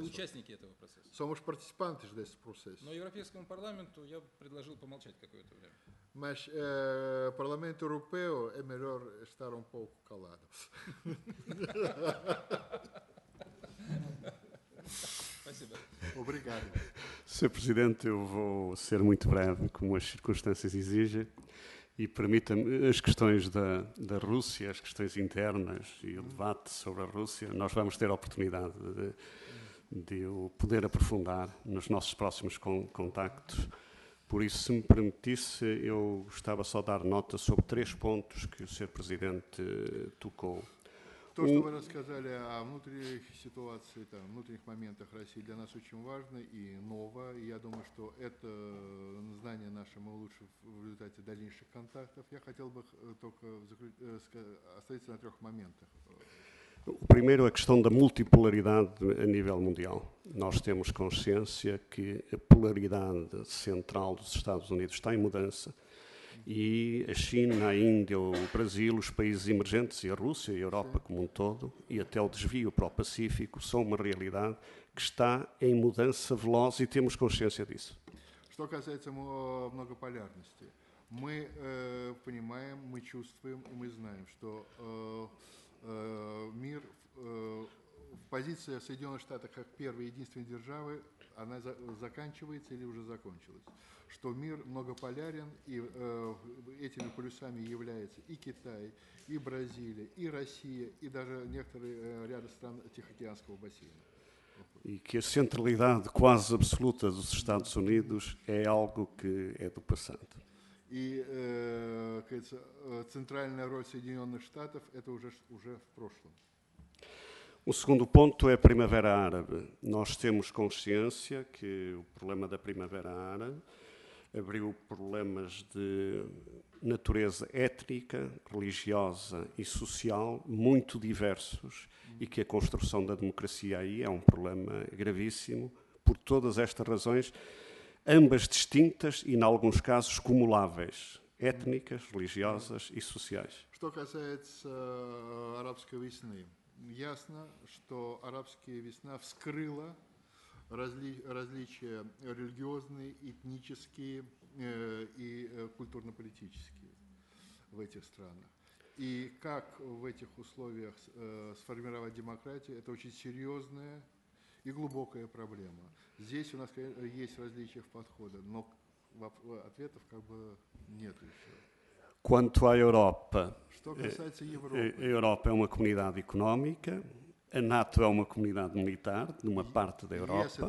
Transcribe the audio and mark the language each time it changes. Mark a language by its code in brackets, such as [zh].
[ru] Мы участники этого процесса. [pt] Somos participantes desse processo. [ru] Но Европейскому парламенту я предложил помолчать какое-то время. [pt] Mas Parlamento Europeu é melhor estar um pouco calado. Obrigado. Sr. Presidente, eu vou ser muito breve, como as circunstâncias exigem, e permita-me, as questões da Rússia, as questões internas e o debate sobre a Rússia, nós vamos ter a oportunidade de o poder aprofundar nos nossos próximos contactos. Por isso, se me permitisse, eu gostava só de dar nota sobre três pontos que o Sr. Presidente tocou. [ru] То, что вы рассказали о внутренних ситуации, там, внутренних моментах России, для нас очень важно и ново. И я думаю, что это знание наше мы улучшим в результате дальнейших контактов. Я хотел бы только остановиться на трех моментах. [pt] O primeiro é a questão da multipolaridade a nível mundial. Nós temos consciência que a polaridade central dos Estados Unidos está em mudança. E a China, a Índia, o Brasil, os países emergentes e a Rússia e a Europa como um todo, e até o desvio para o Pacífico, são uma realidade que está em mudança veloz e temos consciência disso. [ru] Что касается многополярности, мы понимаем, мы чувствуем и мы знаем, что мир в позиции Соединенных Штатов как первой единственной державы, она заканчивается или уже закончилась. Что мир многополярен, и этими полюсами являются и Китай, и Бразилия, и Россия, и даже некоторые ряды стран Тихоокеанского бассейна. [pt] И que a centralidade quase absoluta dos Estados Unidos é algo que é do passado. [ru] И кажется, центральная роль Соединенных Штатов – это уже в прошлом. [pt] O segundo ponto é a Primavera Árabe. Nós temos consciência que o problema da Primavera Árabe abriu problemas de natureza étnica, religiosa e social muito diversos e que a construção da democracia aí é um problema gravíssimo por todas estas razões, ambas distintas e, em alguns casos, cumuláveis, étnicas, religiosas e sociais. [ru] Что касается арабской весны, ясно, что арабская весна вскрыла различия религиозные, этнические и культурно-политические в этих странах. И как в этих условиях сформировать демократию, это очень серьезная и глубокая проблема. Здесь у нас есть различия в подходах, но ответов как бы нет еще. [pt] Quanto à Europa, [ru] что касается Европы, [pt] a Europa é uma comunidade económica. A NATO é uma comunidade militar de uma parte da Europa.